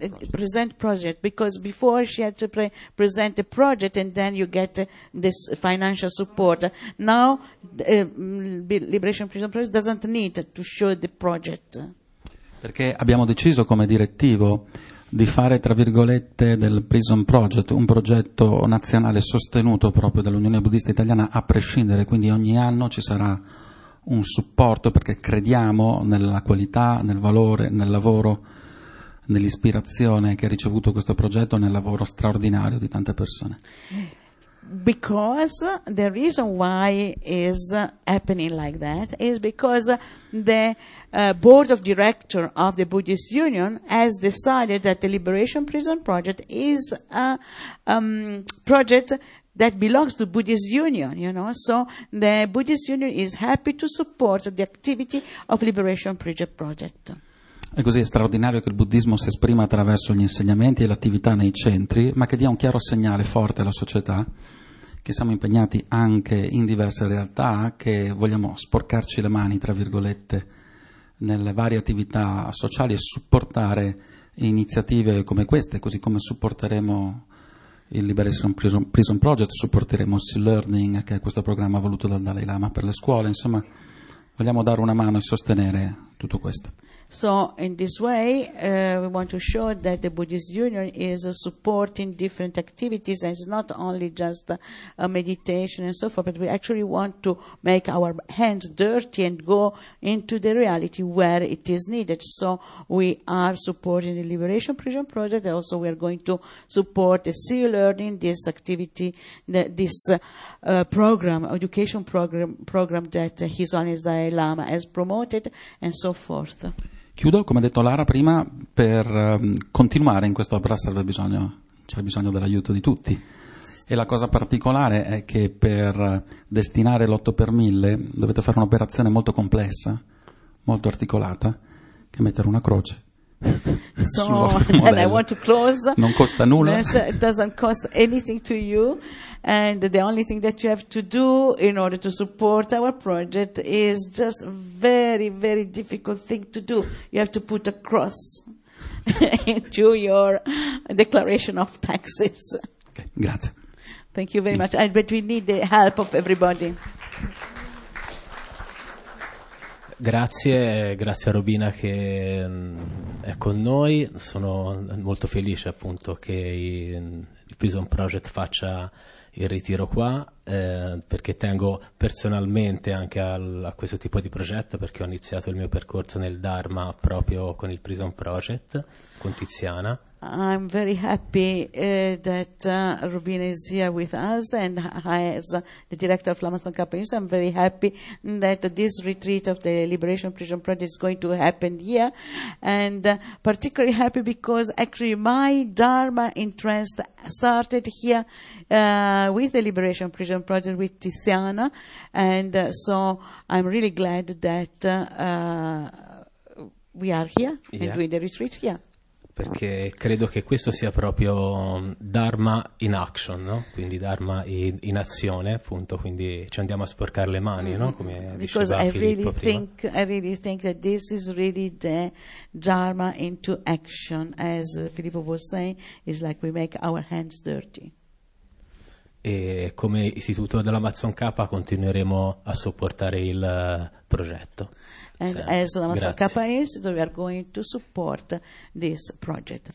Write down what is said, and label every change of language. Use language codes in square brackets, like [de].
[en] present project, because before she had to present a project and then you get this financial support. Now Liberation Prison Project doesn't need to show the project. [it] Perché abbiamo deciso come direttivo di fare, tra virgolette, del Prison Project un progetto nazionale sostenuto proprio dall'Unione Buddista Italiana a prescindere, quindi ogni anno ci sarà un supporto, perché crediamo nella qualità, nel valore, nel lavoro, nell'ispirazione che ha ricevuto questo progetto, nel lavoro straordinario di tante persone. [en] Because the reason why is happening like that is because the board of director of the Buddhist Union has decided that the Liberation Prison Project is a project that belongs to Buddhist Union, you know. So the Buddhist Union is happy to support the activity of Liberation Prison Project. [it] È così straordinario che il buddismo si esprima attraverso gli insegnamenti e l'attività nei centri, ma che dia un chiaro segnale forte alla società che siamo impegnati anche in diverse realtà, che vogliamo sporcarci le mani, tra virgolette, nelle varie attività sociali e supportare iniziative come queste, così come supporteremo il Liberation Prison Project, supporteremo Sea Learning, che è questo programma voluto dal Dalai Lama per le scuole. Insomma, vogliamo dare una mano e sostenere tutto questo. [en] So in this way we want to show that the Buddhist Union is supporting different activities, and it's not only just a meditation and so forth, but we actually want to make our hands dirty and go into the reality where it is needed. So we are supporting the Liberation Prison Project, and also we are going to support the Sea Learning, this activity, this program, education program that His Holiness Dalai Lama has promoted, and so forth. [it] Chiudo, come ha detto Lara prima, per continuare in questa opera serve bisogno, c'è bisogno dell'aiuto di tutti. E la cosa particolare è che per destinare l'8 per 1000 dovete fare un'operazione molto complessa, molto articolata, che è mettere una croce. [en] So, and I want to close. [it] Non costa nulla. [en] It doesn't cost anything to you, and the only thing that you have to do in order to support our project is just very, very difficult thing to do. You have to put a cross into your declaration of taxes. [it] Okay, grazie. [en] Thank you very much. But we need the help of everybody. [it] Grazie a Robina che è con noi. Sono molto felice appunto che il Prison Project faccia il ritiro qua, perché tengo personalmente anche a questo tipo di progetto, perché ho iniziato il mio percorso nel Dharma proprio con il Prison Project, con Tiziana. [en] I'm very happy that Robina is here with us, and as the director of Lama Tsongkhapa Institute, I'm very happy that this retreat of the Liberation Prison Project is going to happen here, and particularly happy because actually my Dharma interest started here with the Liberation Prison Project with Tiziana, and so I'm really glad that we are here and doing the retreat here. [it] Perché credo che questo sia proprio [en] Dharma in action, [it] no? Quindi Dharma in azione, appunto, quindi ci andiamo a sporcare le mani, no? Come diceva Filippo prima. [en] I really think that this is really the Dharma into action, as Filippo was saying, is like we make our hands dirty. [it] E come istituto della Mazzon K continueremo a supportare il progetto. [en] And as the Lama Tsongkhapa Institute, we are going to support this project.